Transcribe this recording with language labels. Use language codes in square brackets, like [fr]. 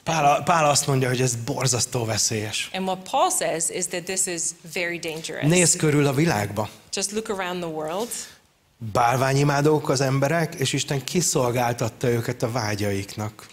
[hu] Pál azt mondja, hogy ez borzasztó veszélyes. [en] And what Paul says is that this is very dangerous. [hu] Nézz körül a világba. [en] Just look around the world. [hu] Bálványimádók az emberek, és Isten kiszolgáltatta őket a vágyaiknak.